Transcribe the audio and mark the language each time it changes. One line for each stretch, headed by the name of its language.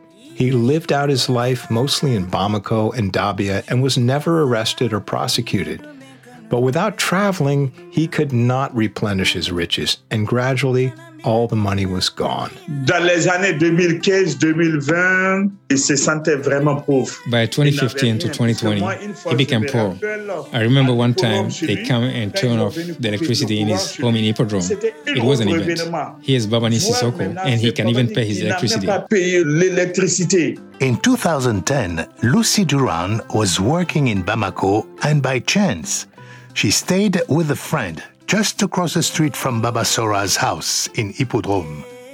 English: He lived out his life mostly in Bamako and Dabia and was never arrested or prosecuted. But without traveling, he could not replenish his riches, and gradually, all the money was gone.
French: Dans les années 2015-2020, il se sentait vraiment pauvre.
English: By 2015 to 2020, he became poor. I remember one time they come and turn off the electricity in his home in Hippodrome. It was an event. He is Baba Nisi Soko, and he can even pay his electricity. In 2010, Lucy Duran was working in Bamako, and by chance, she stayed with a friend just across the street from Baba Sora's house in Hippodrome.